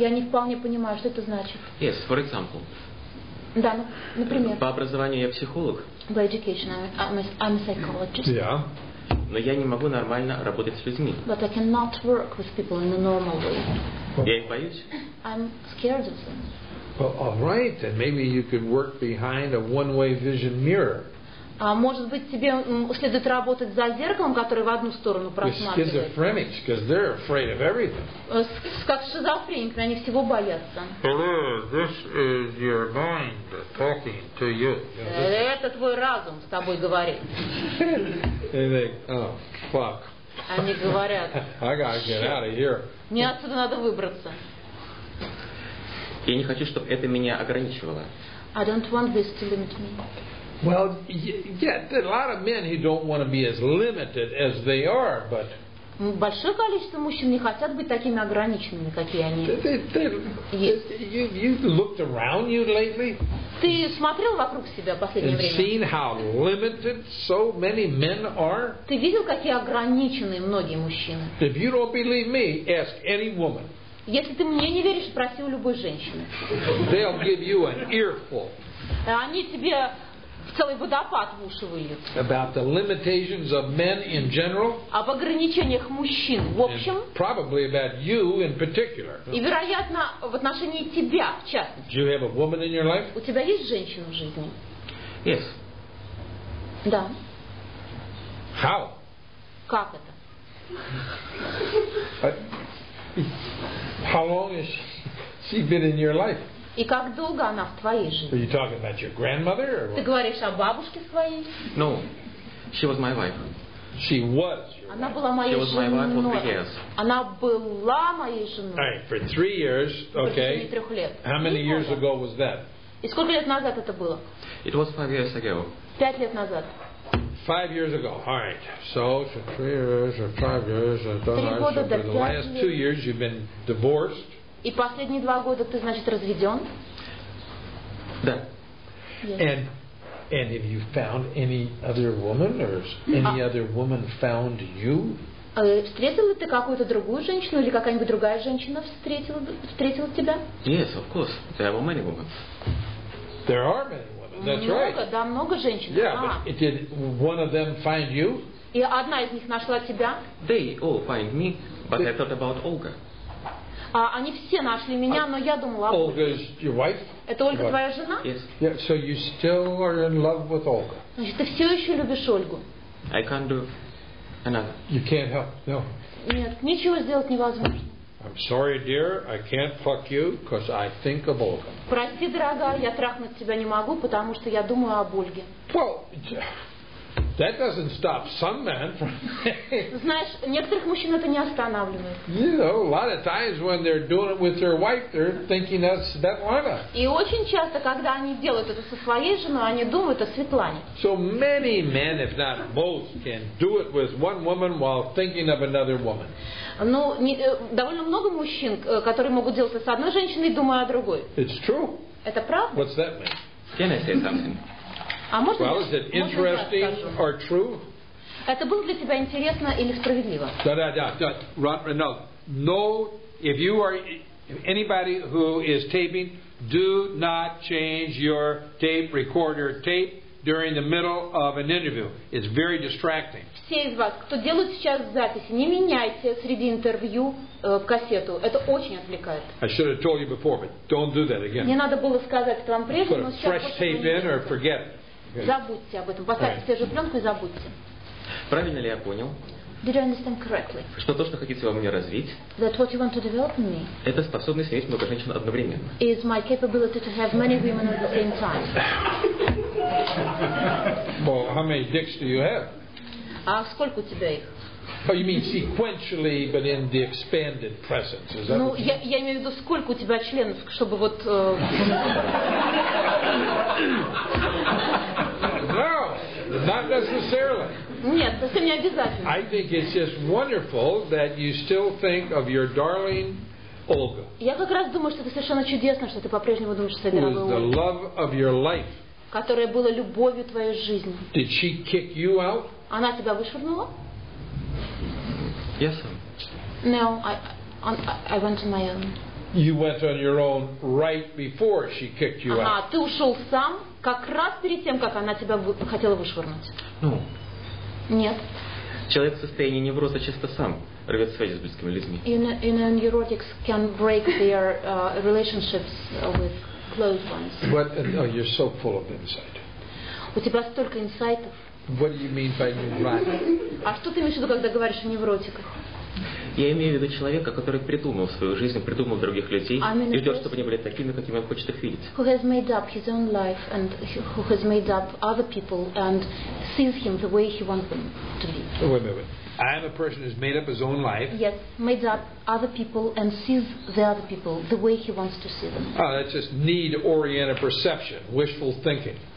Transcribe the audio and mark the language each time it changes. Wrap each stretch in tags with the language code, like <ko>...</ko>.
<ru>Я не вполне понимаю, что это значит.</ru> <en>Yes, for example.</en> <ru>Да, например. По образованию я психолог.</ru> <en>By education, I'm a psychologist. Yeah.</en> <ru>Но я не могу нормально работать с людьми.</ru> <en>But I cannot work with people in a normal way.</en> <ru>Я их боюсь.</ru> <en>I'm scared of them. Well, all right, then maybe you could work behind a one-way vision mirror.</en> <ru>А может быть тебе следует работать за зеркалом, которое в одну сторону просматривает.</ru> <en>With schizophrenics, because they're afraid of everything.</en> <ru>Как шизофреник, они всего боятся.</ru> <en>Hello, this is your mind talking to you.</en> <ru>Это твой разум с тобой говорит.</ru> <en>Oh, fuck.</en> <ru>Они говорят.</ru> <en>I gotta get out of here.</en> <ru>Мне отсюда надо выбраться. Я не хочу, чтобы это меня ограничивало.</ru> <en>I don't want this to limit me. Well, yeah, there are a lot of men who don't want to be as limited as they are, but.</en> <ru>Большое количество мужчин не хотят быть такими ограниченными, какие они.</ru> <en>You've looked around you lately.</en> <ru>Ты смотрел вокруг себя последнее время?</ru> <en>And seen how limited so many men are.</en> <ru>Ты видел, какие ограниченные многие мужчины?</ru> <en>If you don't believe me, ask any woman.</en> <ru>Если ты мне не веришь, спроси у любой женщины.</ru> <en>They'll give you an earful.</en> <ru>Они тебе целый водопад в уши выльют.</ru> <en>About the limitations of men in general.</en> <ru>Об ограничениях мужчин в общем.</ru> <en>Probably about you in particular.</en> <ru>И вероятно в отношении тебя в частности.</ru> <en>Do you have a woman in your life?</en> <ru>У тебя есть женщина в жизни?</ru> <en>Yes.</en> <ru>Да.</ru> <en>How?</en> <ru>Как это?</ru> <en>How long has she been in your life?</en> <ru>И как долго она в твоей жизни?</ru> <en>Are you talking about your grandmother or what?</en> <ru>Ты говоришь о бабушке своей?</ru> <en>No, she was my wife. She was.</en> <ru>Она была моей женой.</ru> <en>She was my wife for 3 years.</en> <ru>Она была моей женой.</ru> <en>All right, for 3 years, okay.</en> <ru>В течение 3 лет.</ru> <en>How many years ago was that?</en> <ru>И сколько лет назад это было?</ru> <en>It was 5 years ago.</en> <ru>5 лет назад.</ru> <en>5 years ago. All right. So for 3 years or 5 years, I don't know. For the last 2 years, you've been divorced.</en> <ru>И последние 2 года ты, значит, разведен? Да.</ru> <en>Yes. And And have you found any other woman, or any other woman found you?</en> <ru>Встретил ли ты какую-то другую женщину или какая-нибудь другая женщина встретила тебя?</ru> <en>Yes, of course. There are many women. There are many women. That's</en> <ru>много,</ru> <en>right.</en> <ru>Да, много женщин.</ru> <en>Yeah, but did one of them find you?</en> <ru>И одна из них нашла тебя?</ru> <en>They all find me, but I thought about Olga.</en> <ru>Они все нашли меня, но я думала об Ольге.</ru> <en>Olga is your wife?</en> <ru>Это Ольга твоя жена?</ru> <en>Yes. Yeah, so you still are in love with Olga?</en> <ru>Значит, ты все еще любишь Ольгу?</ru> <en>I can't do another. You can't help, no.</en> <ru>Нет, ничего сделать невозможно.</ru> <en>I'm sorry, dear, I can't fuck you, because I think of Olga.</en> <ru>Прости, дорогая, я трахнуть тебя не могу, потому что я думаю об Ольге.</ru> <en>Well, that doesn't stop some men from.</en> <ru>Знаешь, некоторых мужчин это не останавливает.</ru> <en>You know, a lot of times when they're doing it with their wife, they're thinking that's Svetlana.</en> <ru>И очень часто, когда они делают это со своей женой, они думают о Светлане.</ru> <en>So many men, if not most, can do it with one woman while thinking of another woman.</en> <ru>Ну, довольно много мужчин, которые могут делать это с одной женщиной, думая о другой.</ru> <en>It's true.</en> <ru>Это правда.</ru> <en>What's that mean? Can I say something? Well, is it interesting or true?</en> <ru>Это было для тебя интересно или справедливо? Да.</ru> <en>No. No, if you are anybody who is taping, do not change your tape recorder tape during the middle of an interview. It's very distracting.</en> <ru>Все из вас, кто делает сейчас записи, не меняйте среди интервью кассету. Это очень отвлекает.</ru> <en>I should have told you before, but don't do that again.</en> <ru>Мне надо было сказать это вам прежде, но сейчас</ru> <en>put a fresh tape in or forget it.</en> <ru>Забудьте об этом. Поставьте свежую пленку и забудьте. Правильно ли я понял?</ru> <en>Did I understand correctly?</en> <ru>Что то, что хотите во мне развить?</ru> <en>That what you want to develop in me?</en> <ru>Это способность иметь много женщин одновременно.</ru> <en>Is my capability to have many women at the same time? Well, how many dicks do you have?</en> <ru>А сколько у тебя их?</ru> <en>Oh, you mean sequentially, but in the expanded presence? Is that?</en> <ru>Ну, я имею в виду, сколько у тебя членов, чтобы вот.</ru> <en>No, not necessarily.</en> <ru>Нет, совсем не обязательно.</ru> <en>I think it's just wonderful that you still think of your darling Olga.</en> <ru>Я как раз думаю, что это совершенно чудесно, что ты по-прежнему думаешь о своей дорогой Ольге.</ru> <en>Who is the love of your life?</en> <ru>Которая была любовью твоей жизни.</ru> <en>Did she kick you out?</en> <ru>Она тебя вышвырнула?</ru> <en>Yes, sir. No, I went on my own. You went on your own right before she kicked you out.</en> <ru>Ага, ты ушел сам, как раз перед тем, как она тебя хотела вышвырнуть.</ru> <en>No.</en> <ru>Нет. Человек в состоянии невроза часто сам рвет связи с близкими людьми.</ru> <en>In neurotics can break their relationships with close ones. What? Oh, you're so full of insight.</en> <ru>У тебя столько инсайтов.</ru> <en>What do you mean by neurotic?</en> <ru>А что ты имеешь в виду, когда говоришь о невротиках? Я имею в виду человека, который придумал свою жизнь, придумал других людей и ждет, чтобы они были такими, какими он хочет их видеть.</ru> <en>Who has made up his own life and who has made up other people and sees him the way he wants them to be. Wait. I am a person who has made up his own life. Yes, made up other people and sees the other people the way he wants to see them. Oh, that's just need-oriented perception, wishful thinking.</en>